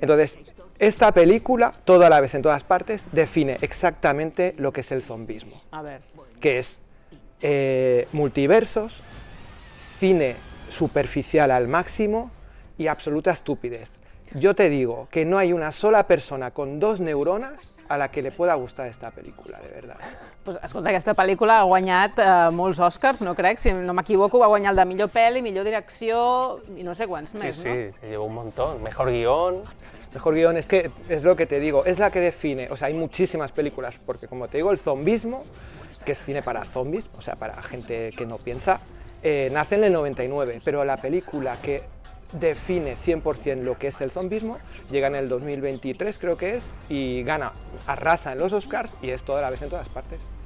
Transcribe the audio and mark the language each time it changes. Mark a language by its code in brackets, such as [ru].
[es] Entonces, esta película, Toda la vez en todas partes, define exactamente lo que es el zombismo. A ver. Que es multiversos, cine superficial al máximo y absoluta estupidez. Yo te digo que no hay una sola persona con dos neuronas a la que le pueda gustar esta película, de verdad. [ca] Pues escolta, aquesta pel·lícula ha guanyat molts Oscars, no crec, si no m'equivoco, va guanyar el de millor pel·li, millor direcció i no sé quants més, no? [es] Sí, sí, lleva un montón, mejor guión. Mejor guión, es que es lo que te digo, es la que define, o sea, hay muchísimas películas, porque como te digo, el zombismo, que es cine para zombies, o sea, para gente que no piensa, nace en el 99, pero la película que define 100% lo que es el zombismo, llega en el 2023, creo que es, y gana, arrasa en los Oscars y es Toda la vez en todas partes.